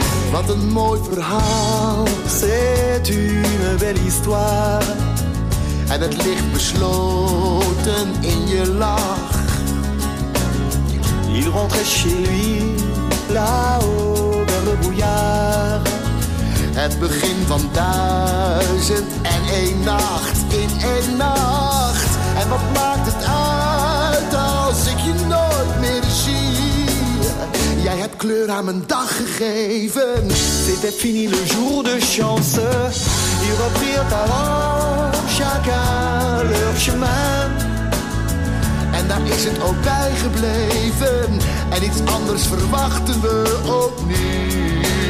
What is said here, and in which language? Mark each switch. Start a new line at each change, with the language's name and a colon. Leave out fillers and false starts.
Dutch: Wat een mooi verhaal,
French: c'est une belle histoire.
Dutch: En het ligt besloten in je lach.
French: Il rentrait chez lui, là-haut vers le brouillard.
Dutch: Het begin van duizend en één nacht, in één nacht. En wat maakt het uit als ik je nooit meer zie? Jij hebt kleur aan mijn dag gegeven.
French: C'était fini le jour de chance. Ils reprirent alors chacun leur chemin.
Dutch: En daar is het ook bij gebleven. En iets anders verwachten we opnieuw.